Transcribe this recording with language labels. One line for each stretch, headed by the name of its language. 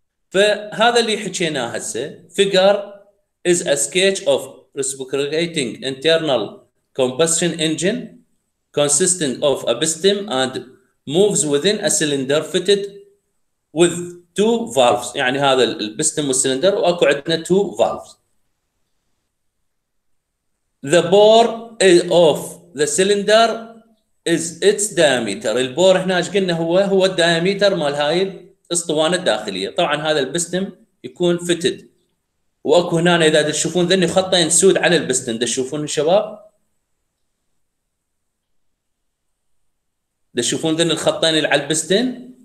English: فهذا اللي حكيناه هسه. Figure is a sketch of reciprocating internal combustion engine consisting of a piston and moves within a cylinder fitted with two valves.
Arabic: يعني هذا البستم والسلندر واكو عندنا two valves.
English: The bore of the cylinder is its diameter.
Arabic: البور هنا ايش قلنا هو الدايمتر مال هاي الاسطوانه الداخليه. طبعا هذا البستم يكون fitted، واكو هنا اذا تشوفون ذني خطين سود على البستم، تشوفون الشباب تشوفون ذن الخطين اللي على البستن.